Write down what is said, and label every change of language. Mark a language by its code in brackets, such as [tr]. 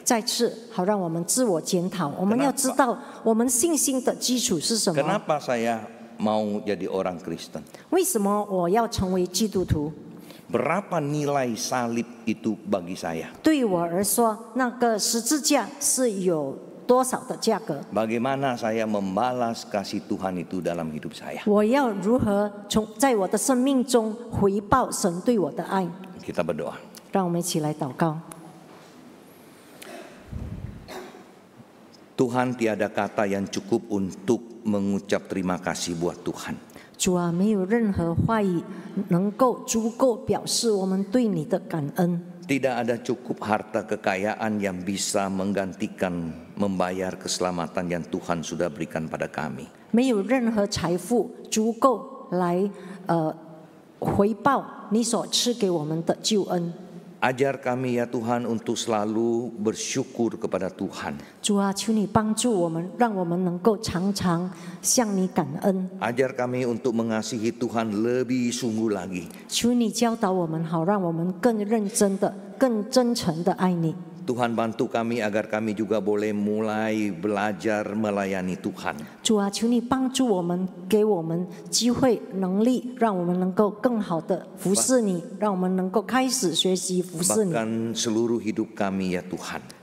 [zh] 再次，好让我们自我检讨。我们要知道我们信心的基础是什么。 [id] Kenapa saya mau jadi orang Kristen? [zh] 为什么我要成为基督徒？ [id] Berapa nilai salib itu bagi saya? [zh] 对我而说，那个十字架是有多少的价格？ [id] Bagaimana saya membalas kasih Tuhan itu dalam hidup saya? [zh] 我要如何从在我的生命中回报神对我的爱？ [id] Kita berdoa. [zh] 让我们一起来祷告。 [id] Tuhan tiada kata yang cukup untuk mengucap terima kasih buat Tuhan。 [zh] 主啊，没有任何话语能够足够表示我们对你的感恩。 [id] Tidak ada cukup harta kekayaan yang bisa menggantikan membayar keselamatan yang Tuhan sudah berikan pada kami。 [zh] 没有任何财富足够来回报你所赐给我们的救恩。 [id] Ajar kami ya Tuhan untuk selalu bersyukur kepada Tuhan. [zh] 主 啊, 求你帮助我们, 让我们能够常常向你感恩。 [id] Ajar kami untuk mengasihi Tuhan lebih sungguh lagi. [zh] 求你教导我们好, 让我们更认真的, 更真诚的爱你。 [id] Tuhan bantu kami agar kami juga boleh mulai belajar melayani Tuhan. [zh] 主 啊, 求你帮助我们, 给我们机会, 能力, 让我们能够更好地服侍你, 让我们能够开始学习服侍你。 [id] Bahkan seluruh hidup kami ya Tuhan.